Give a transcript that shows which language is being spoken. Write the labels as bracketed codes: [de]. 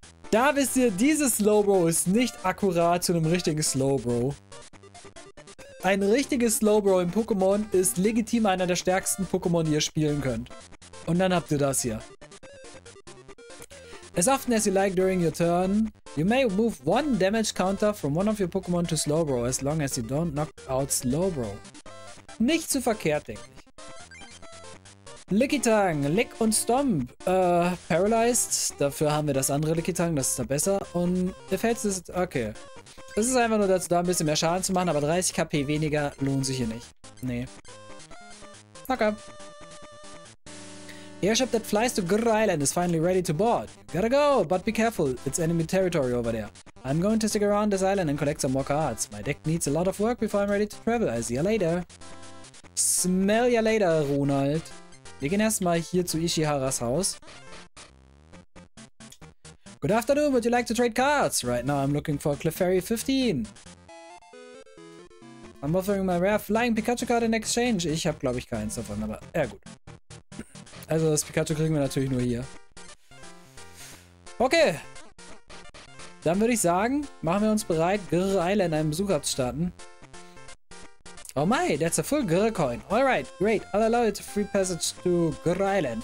[de] Da wisst ihr, dieses Slowbro ist nicht akkurat zu einem richtigen Slowbro. Ein richtiges Slowbro im Pokémon ist legitim einer der stärksten Pokémon, die ihr spielen könnt. Und dann habt ihr das hier. [en] As often as you like during your turn, you may move one damage counter from one of your Pokémon to Slowbro, as long as you don't knock out Slowbro. [de] Nicht zu verkehrt, denke ich. Lickitung, Lick und Stomp. [en] Paralyzed. [de] Dafür haben wir das andere Lickitung, das ist da besser. Und Effects ist. Okay. Es ist einfach nur dazu da, ein bisschen mehr Schaden zu machen, aber 30 KP weniger lohnt sich hier nicht. Nee. Okay. [en] The airship that flies to Grr Island is finally ready to board. Gotta go, but be careful. It's enemy territory over there. I'm going to stick around this island and collect some more cards. My deck needs a lot of work before I'm ready to travel. I'll see you later. Smell ya later, Ronald. [de] Wir gehen erstmal hier zu Ishiharas Haus. [en] Good afternoon, would you like to trade cards? Right now I'm looking for Clefairy 15. I'm offering my rare flying Pikachu card in exchange. [de] Ich habe, glaube ich, keins davon, aber ja gut. Also das Pikachu kriegen wir natürlich nur hier. Okay. Dann würde ich sagen, machen wir uns bereit, Grr Island einen Besuch abzustarten. [en] Oh my, that's a full Grr Coin. Alright, great. I'll allow you to free passage to Grr Island.